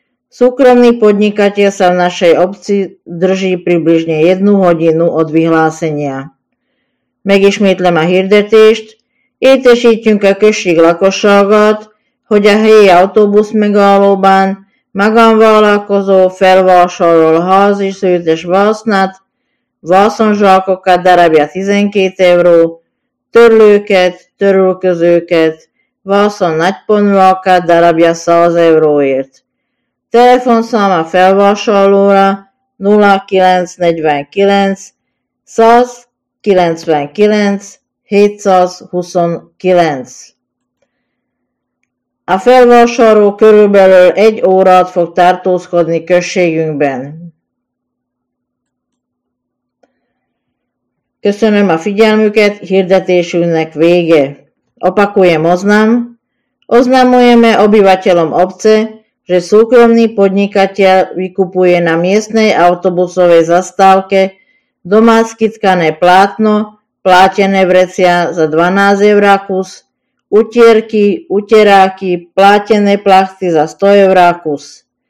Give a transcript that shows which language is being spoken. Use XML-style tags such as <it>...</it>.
<sk>Súkromný podnikateľ sa v našej obci drží približne 1 hodinu od vyhlásenia.</sk> <hu>Megismétlem a hirdetést, értesítjünk a község lakosságát, hogy a helyi autóbusz megállóban magánvállalkozó felvásárol házi szőtes vásznát, vászonzsákokat darabja 12 euró, törlőket, törülközőket, vászon nagyponyvákat darabja 100 euróért. Telefonszáma felvásárlóra 0949 199 729. A felvásárló körülbelül egy órát fog tartózkodni községünkben. Köszönöm a figyelmüket, hirdetésünknek vége.</hu> <sk>Opakujem oznam. Oznamujeme obyvateľom obce, že súkromný podnikateľ vykupuje na miestnej autobusovej zastávke domácky tkané plátno, plátené vrecia za 12 eur kus, utierky, uteráky, plátené plachty za 100 eur kus.</sk>